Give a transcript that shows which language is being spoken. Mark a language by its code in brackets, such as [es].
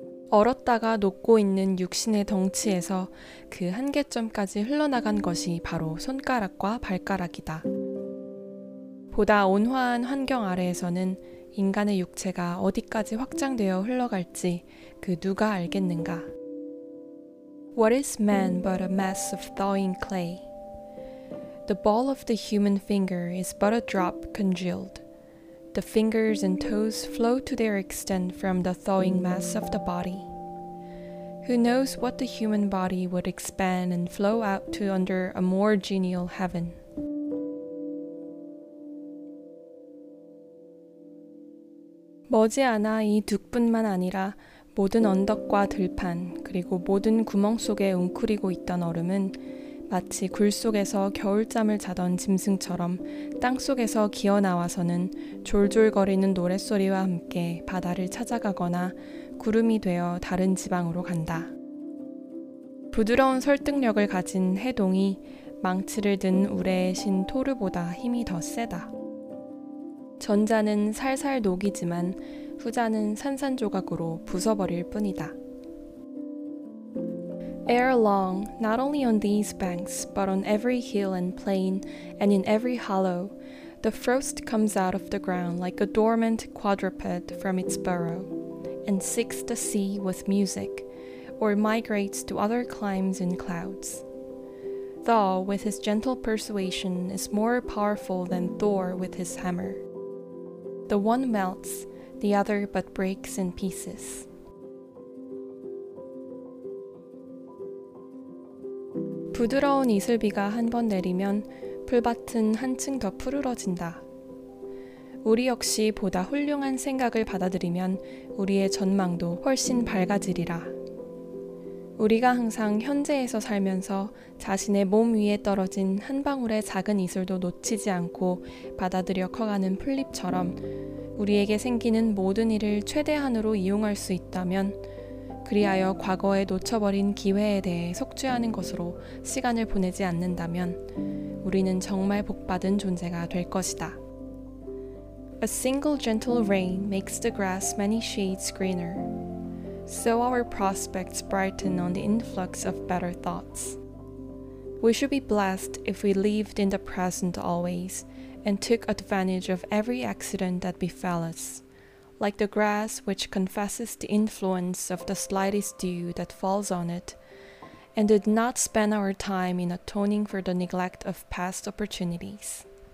[ko] 얼었다가 녹고 있는 육신의 덩치에서 그 한계점까지 흘러나간 것이 바로 손가락과 발가락이다. 보다 온화한 환경 아래에서는 인간의 육체가 어디까지 확장되어 흘러갈지 그 누가 알겠는가? [en] What is man but a mass of thawing clay? The ball of the human finger is but a drop congealed. The fingers and toes flow to their extent from the thawing mass of the body. Who knows what the human body would expand and flow out to under a more genial heaven? [ko] 머지않아 이 둑뿐만 아니라 모든 언덕과 들판, 그리고 모든 구멍 속에 웅크리고 있던 얼음은 마치 굴 속에서 겨울잠을 자던 짐승처럼 땅 속에서 기어나와서는 졸졸거리는 노랫소리와 함께 바다를 찾아가거나 구름이 되어 다른 지방으로 간다. 부드러운 설득력을 가진 해동이 망치를 든 우레의 신 토르보다 힘이 더 세다. 전자는 살살 녹이지만 후자는 산산조각으로 부숴버릴 뿐이다. [en] Ere long, not only on these banks, but on every hill and plain, and in every hollow, the frost comes out of the ground like a dormant quadruped from its burrow, and seeks the sea with music, or migrates to other climes in clouds. Thaw, with his gentle persuasion, is more powerful than Thor with his hammer. The one melts, the other but breaks in pieces. [ko] 부드러운 이슬비가 한 번 내리면 풀밭은 한층 더 푸르러진다. 우리 역시 보다 훌륭한 생각을 받아들이면 우리의 전망도 훨씬 밝아지리라. 우리가 항상 현재에서 살면서 자신의 몸 위에 떨어진 한 방울의 작은 이슬도 놓치지 않고 받아들여 커가는 풀잎처럼 우리에게 생기는 모든 일을 최대한으로 이용할 수 있다면 그리하여 과거에 놓쳐버린 기회에 대해 속죄하는 것으로 시간을 보내지 않는다면 우리는 정말 복받은 존재가 될 것이다. [en] A single gentle rain makes the grass many shades greener. So our prospects brighten on the influx of better thoughts. We should be blessed if we lived in the present always and took advantage of every accident that befell us, like the grass which confesses the influence of the slightest dew that falls on it, and did not spend our time in atoning for the neglect of past opportunities.